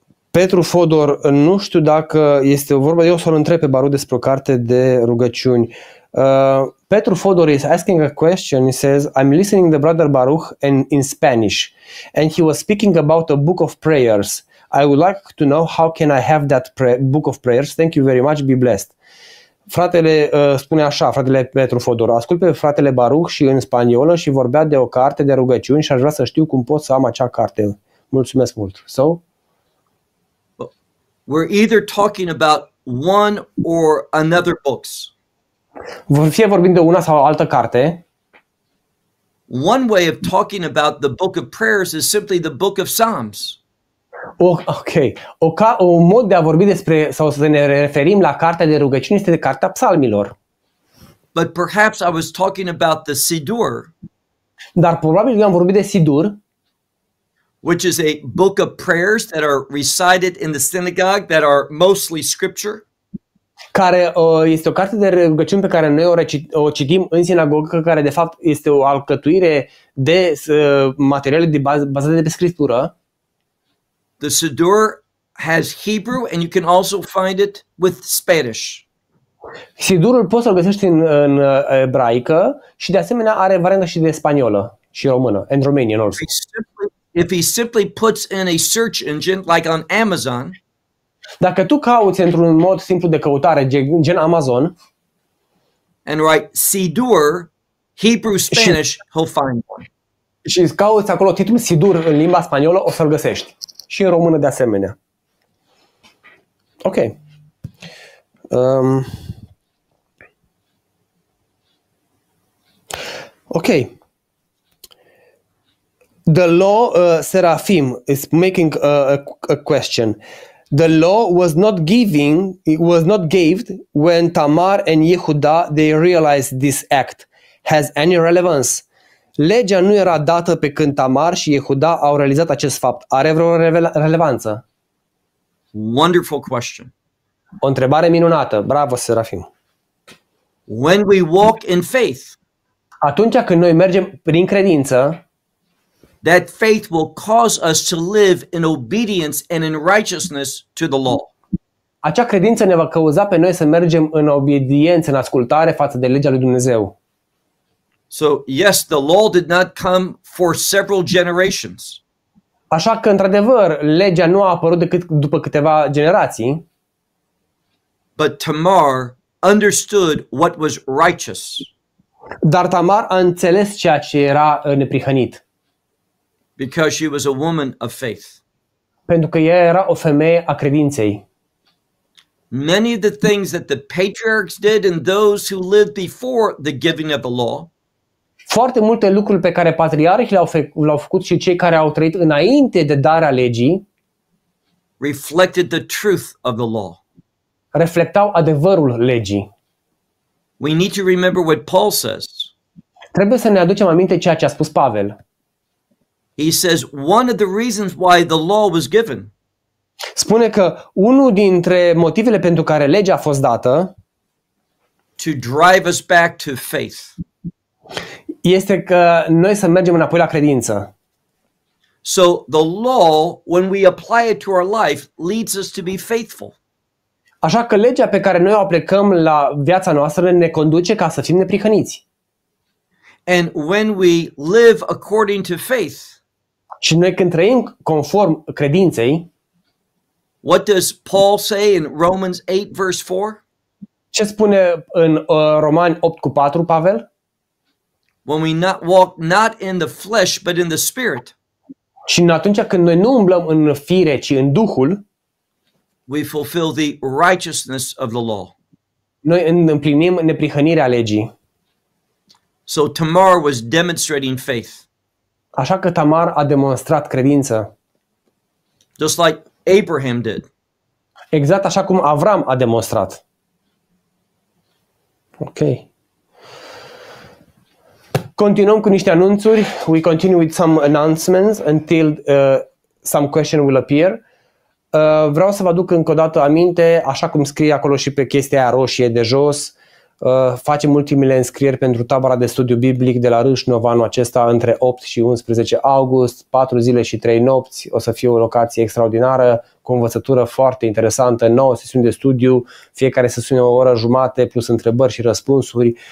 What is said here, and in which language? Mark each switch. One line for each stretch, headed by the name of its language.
Romanian: Petru Fodor, nu știu dacă este o vorbă, eu o să-l întreb pe Baruch despre o carte de rugăciuni.
English: Petru Fodor is asking a question. He says, I'm listening to Brother Baruch in Spanish, and he was speaking about a book of prayers. I would like to know how can I have that book of prayers. Thank you very much. Be blessed.
Romanian: Fratele spune așa, fratele Petru Fodor, ascult pe fratele Baruch și în spaniolă și vorbea de o carte de rugăciuni și aș vrea să știu cum pot să am acea carte. Mulțumesc mult.
English: So? We're either talking about one or another books.
Romanian: Fie vorbim de una sau altă carte.
English: One way of talking about the book of prayers is simply the book of Psalms. Okay.
Romanian: Un mod de a vorbi despre sau să ne referim la cartea de rugăciune este de cartea psalmilor.
English: But perhaps I was talking about the Sidur.
Romanian: Dar probabil eu am vorbit de Sidur.
English: Which is a book of prayers that are recited in the synagogue that are mostly scripture.
Romanian: Care este o carte de rugăciuni pe care noi o citim în sinagogă, care de fapt este o alcătuire de materiale bazate pe scriptură.
English: The Siddur has Hebrew and you can also find it with Spanish.
Romanian: Sidurul poți să-l găsești în ebraică și de asemenea are variantă și de spaniolă și română,
English: and Romanian also. If he simply puts in a search engine like on Amazon.
Romanian: Dacă tu cauți într-un mod simplu de căutare, gen Amazon,
English: and write Sidur Hebrew Spanish, he'll find one.
Romanian: Și cauți acolo titlul Sidur în limba spaniolă, o să-l găsești. Și în română de asemenea. Ok. Ok.
English: The law, Serafim is making a question. The law was not giving, it was not gave when Tamar and Yehuda, they realized this act has any relevance.
Romanian: Legea nu era dată pe când Tamar și Yehuda au realizat acest fapt. Are vreo relevanță?
English: Wonderful question.
Romanian: O întrebare minunată. Bravo, Serafim.
English: When we walk in faith,
Romanian: atunci când noi mergem prin credință,
English: that faith will cause us to live in obedience and in righteousness to the law.
Romanian: Acea credință ne va cauza pe noi să mergem în obediență, în ascultare față de legea lui Dumnezeu.
English: So, yes, the law did not come for several generations.
Romanian: Așa că, într-adevăr, legea nu a apărut decât după câteva generații.
English: But Tamar understood what was righteous.
Romanian: Dar Tamar a înțeles ceea ce era neprihănit.
English: Because she was a woman of faith.
Romanian: Pentru că ea era o femeie a credinței.
English: Many of the things that the patriarchs did and those who lived before the giving of the law.
Romanian: Foarte multe lucruri pe care patriarhii le-au făcut și cei care au trăit înainte de darea legii.
English: Reflected the truth of the law.
Romanian: Reflectau adevărul legii.
English: We need to remember what Paul says.
Romanian: Trebuie să ne aducem aminte ceea ce a spus Pavel.
English: He says one of the reasons why the law was given.
Romanian: Spune că unul dintre motivele pentru care legea a fost dată,
English: to drive us back to faith.
Romanian: Este că noi să mergem înapoi la credință.
English: So the law, when we apply it to our life, leads us to be faithful.
Romanian: Așa că legea pe care noi o aplicăm la viața noastră ne conduce ca să fim neprihăniți.
English: And when we live according to faith,
Romanian: și noi când trăim conform credinței,
English: what does Paul say in Romans 8 verse 4?
Romanian: Ce spune în Romani 8:4 Pavel?
English: When we not walk not in the flesh but in the spirit.
Romanian: Și în atunci când noi nu umblăm în fire, ci în Duhul,
English: we fulfill the righteousness of the law.
Romanian: Noi împlinim neprihănirea legii.
English: So Tamar was demonstrating faith.
Romanian: Așa că Tamar a demonstrat credință.
English: Just like Abraham did.
Romanian: Exact așa cum Avram a demonstrat. Ok. Continuăm cu niște anunțuri.
English: We continue with some announcements until some question will appear.
Romanian: Vreau să vă aduc încă o dată aminte, așa cum scrie acolo și pe chestia aia roșie de jos, facem ultimile înscrieri pentru tabăra de studiu biblic de la Râșnov anul acesta între 8 și 11 august, 4 zile și 3 nopți. O să fie o locație extraordinară, cu o învățătură foarte interesantă, 9 sesiuni de studiu, fiecare sesiune o oră jumate plus întrebări și răspunsuri.